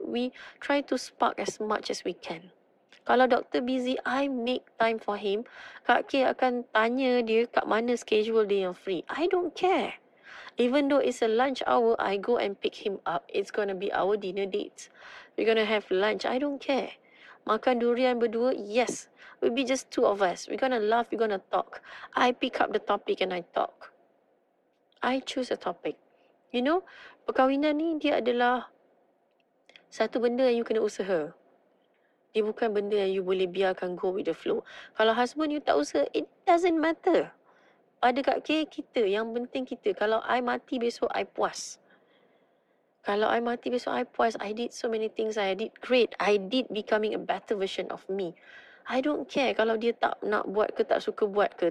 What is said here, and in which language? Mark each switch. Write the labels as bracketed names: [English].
[English] We try to spark as much as we can. [Malay] Kalau doktor busy, [English] I make time for him. [Malay] Kak K akan tanya dia kat mana schedule dia yang free. [English] I don't care. Even though it's a lunch hour, I go and pick him up. It's going to be our dinner date. We're going to have lunch. I don't care. [Malay] Makan durian berdua, [English] yes. We'll be just two of us. We're going to laugh. We're going to talk. I pick up the topic and I talk. I choose a topic. You know, [Malay] perkahwinan ni dia adalah satu benda yang you kena usaha. Dia bukan benda yang you boleh biarkan [English] go with the flow. [Malay] Kalau husband you tak usaha, [English] it doesn't matter. [Malay] Ada kat kiri kita, yang penting kita. Kalau I mati besok, I puas. Kalau I mati besok, I puas. [English] I did so many things. I did great. I did becoming a better version of me. I don't care [Malay] kalau dia tak nak buat ke, [English] tak suka buat ke.